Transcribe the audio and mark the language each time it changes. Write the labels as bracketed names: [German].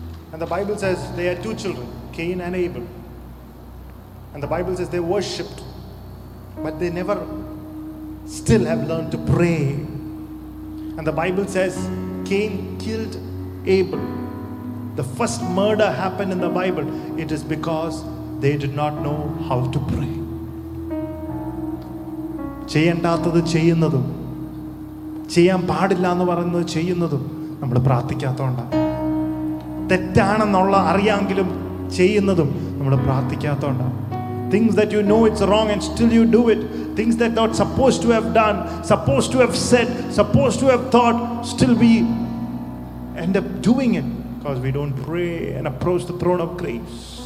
[English] And the Bible says they had two children, Cain and Abel. And the Bible says they worshipped, but they never still have learned to pray. And the Bible says Cain killed Abel. The first murder happened in the Bible. It is because they did not know how to pray. [Malayalam] ചെയ്യേണ്ടാത്തത് ചെയ്യുന്നതും ചെയ്യാൻ പാടില്ല എന്ന് പറയുന്നത് ചെയ്യുന്നതും നമ്മൾ പ്രാർത്ഥിക്കാത്തതുകൊണ്ടാണ്. തെറ്റാണെന്നുള്ള അറിയാമെങ്കിലും ചെയ്യുന്നതും നമ്മൾ പ്രാർത്ഥിക്കാത്തതുകൊണ്ടാണ്. [English] Things that you know it's wrong and still you do it. Things that not supposed to have done, supposed to have said, supposed to have thought, still we end up doing it because we don't pray and approach the throne of grace.